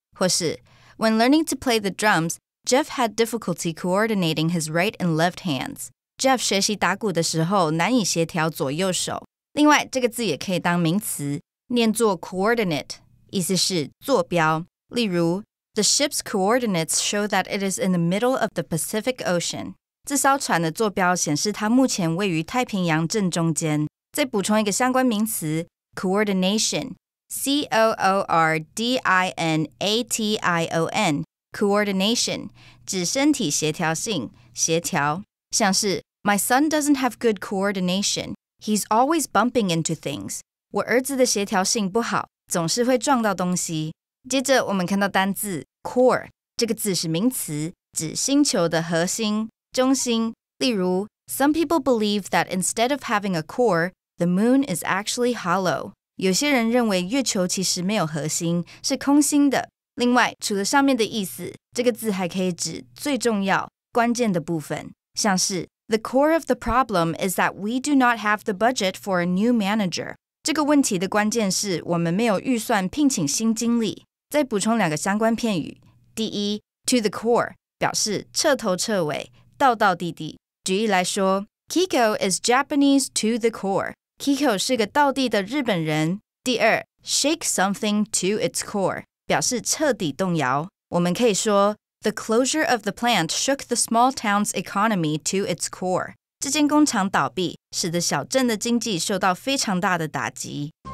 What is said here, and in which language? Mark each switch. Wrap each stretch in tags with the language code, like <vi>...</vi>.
<zh>或是</zh> <en>When learning to play the drums, Jeff had difficulty coordinating his right and left hands.</en> <zh>Jeff 学习打鼓的时候难以协调左右手。另外，这个字也可以当名词，念作 coordinate， 意思是坐标。例如</zh> <en>The ship's coordinates show that it is in the middle of the Pacific Ocean.</en> <zh>这艘船的坐标显示它目前位于太平洋正中间。再补充一个相关名词 coordination, C-O-O-R-D-I-N-A-T-I-O-N, coordination, 指身体协调性、协调。像是</zh> <en>My son doesn't have good coordination. He's always bumping into things.</en> <zh>我儿子的协调性不好，总是会撞到东西。接着我们看到单字 core, 这个字是名词，指星球的核心、中心。例如</zh> <en>Some people believe that instead of having a core,The moon is actually hollow.</en> <zh>有些人认为月球其实没有核心，是空心的。另外，除了上面的意思，这个字还可以指最重要、关键的部分。像是</zh> <en>The core of the problem is that we do not have the budget for a new manager.</en> <zh>这个问题的关键是我们没有预算聘请新经理。再补充两个相关片语。第一 ，</zh> <en>to the core</en> <zh>表示彻头彻尾、道道底底。举例来说</zh> <en>，Kiko is Japanese to the core.</en> <zh>Kiko 是个道地的日本人。第二 ，</zh> <en>shake something to its core</en> <zh>表示彻底动摇。我们可以说</zh> <en>，the closure of the plant shook the small town's economy to its core。</en> <zh>这间工厂倒闭，使得小镇的经济受到非常大的打击。</zh>